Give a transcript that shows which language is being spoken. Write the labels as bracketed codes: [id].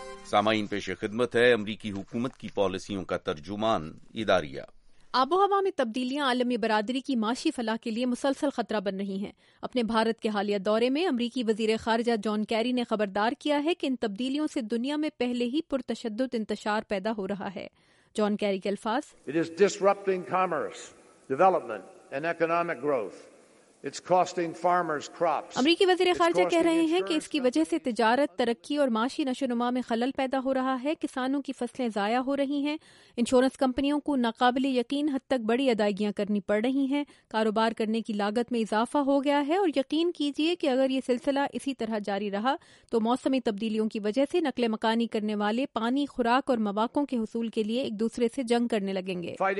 [ur] سامعین، پیش خدمت ہے امریکی حکومت کی پالیسیوں کا ترجمان اداریہ. آب و ہوا میں تبدیلیاں عالمی برادری کی معاشی فلاح کے لیے مسلسل خطرہ بن رہی ہیں. اپنے بھارت کے حالیہ دورے میں امریکی وزیر خارجہ جان کیری نے خبردار کیا ہے کہ ان تبدیلیوں سے دنیا میں پہلے ہی پرتشدد انتشار پیدا ہو رہا ہے. جان کیری کے الفاظ، [en] It is disrupting commerce, development and economic growth. It's costing farmers crops. [ur] امریکی وزیر خارجہ کہہ رہے ہیں کہ اس کی وجہ سے تجارت، ترقی اور معاشی نشوونما میں خلل پیدا ہو رہا ہے. کسانوں کی فصلیں ضائع ہو رہی ہیں، انشورنس کمپنیوں کو ناقابل یقین حد تک بڑی ادائیگیاں کرنی پڑ رہی ہیں، کاروبار کرنے کی لاگت میں اضافہ ہو گیا ہے، اور یقین کیجئے کہ اگر یہ سلسلہ اسی طرح جاری رہا تو موسمی تبدیلیوں کی وجہ سے نقل مکانی کرنے والے پانی، خوراک اور مواقع کے حصول کے لیے ایک دوسرے سے جنگ کرنے لگیں گے.